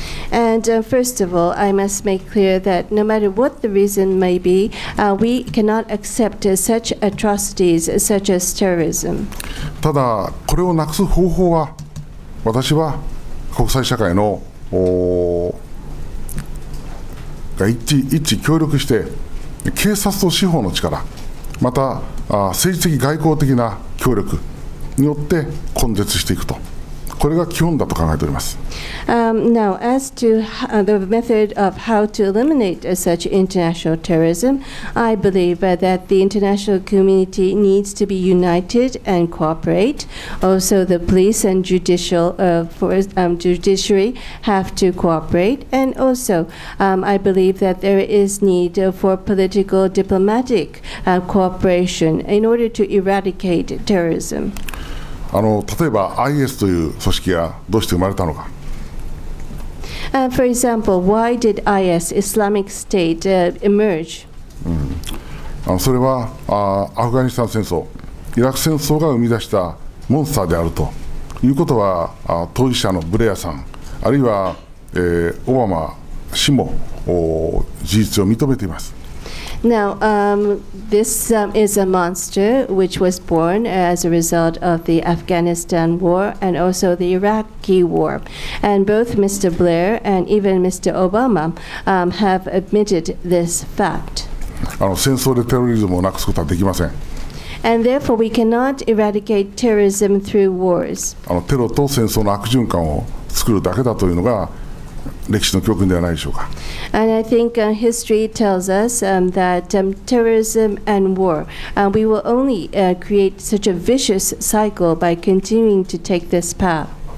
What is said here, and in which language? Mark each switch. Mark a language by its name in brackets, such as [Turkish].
[English] And first of all, I must make clear that no matter what the reason may be, we cannot accept such atrocities such as terrorism. [Japanese] ただ、これをなくす方法は私は国際社会の一致協力して警察と司法の力、また政治的外交的な協力によって根絶していくと。これが基本だと考えております。 [English] Now, as to the method of how to eliminate such international terrorism, I believe that the international community needs to be united and cooperate. Also, the police and judiciary have to cooperate. And also, I believe that there is need for political diplomatic cooperation in order to eradicate terrorism. [Japanese] 例えば IS という組織がどうして生まれたのか。 [English] For example, why did IS, Islamic State, emerge? [Japanese] それは、アフガニスタン戦争、イラク戦争が生み出したモンスターであるということは、当事者のブレアさん、あるいは、オバマ氏も事実を認めています。 [English] Now, this is a monster which was born as a result of the Afghanistan war and also the Iraqi war. And both Mr. Blair and even Mr. Obama have admitted this fact. [Japanese] 戦争でテロリズムをなくすことはできません。 [English] And therefore, we cannot eradicate terrorism through wars. [Japanese] テロと戦争の悪循環を作るだけだというのが歴史の教訓ではないでしょうか。 [English] And I think history tells us that terrorism and war, we will only create such a vicious cycle by continuing to take this path.